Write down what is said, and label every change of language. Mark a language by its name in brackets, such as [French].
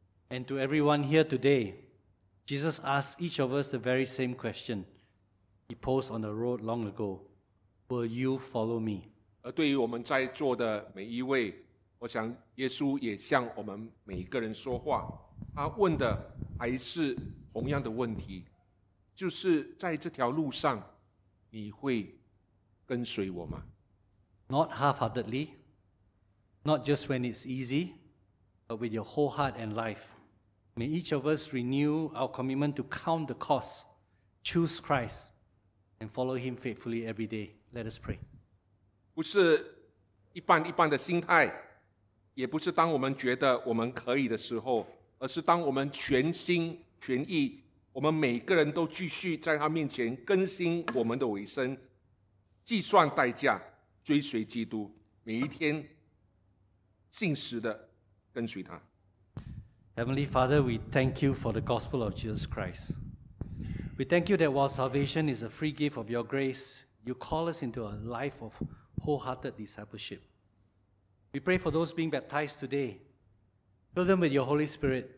[English] And to everyone here today, Jesus asked each of us the very same question he posed on the road long ago. Will you follow me? [Chinese] 而对于我们在座的每一位，我想耶稣也向我们每一个人说话，他问的还是同样的问题，就是在这条路上你会跟随我吗？ [English] Not half-heartedly, not just when it's easy, but with your whole heart and life. May each of us renew our commitment to count the cost, choose Christ, and follow him faithfully every day. Let us pray. [Chinese] 不是一般一般的心态，也不是当我们觉得我们可以的时候，而是当我们全心全意，我们每个人都继续在他面前更新我们的委身，计算代价，追随基督，每一天信实的跟随他。 [English] Heavenly Father, we thank you for the gospel of Jesus Christ. We thank you that while salvation is a free gift of your grace, you call us into a life of wholehearted discipleship. We pray for those being baptized today. Fill them with your Holy Spirit.